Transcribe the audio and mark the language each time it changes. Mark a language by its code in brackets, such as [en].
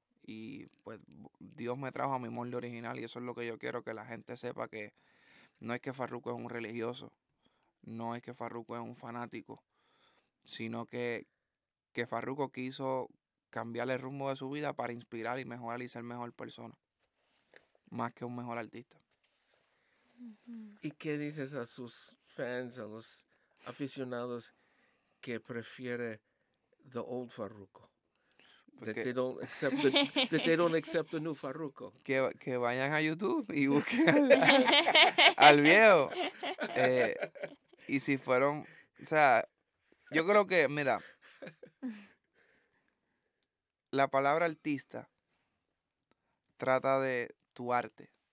[es] Y pues Dios me trajo a mi molde original y eso es lo que yo quiero que la gente sepa, que no es que Farruko es un religioso, no es que Farruko es un fanático, sino que Farruko quiso cambiar el rumbo de su vida para inspirar y mejorar y ser mejor persona, más que un mejor artista. ¿Y qué dices a sus fans, a los aficionados que prefiere [en] the old Farruko? That they don't accept the new Farruko. [es] Que vayan a YouTube y busquen al viejo. Y si fueron, o sea, yo creo que, mira, la palabra artista trata de tu arte.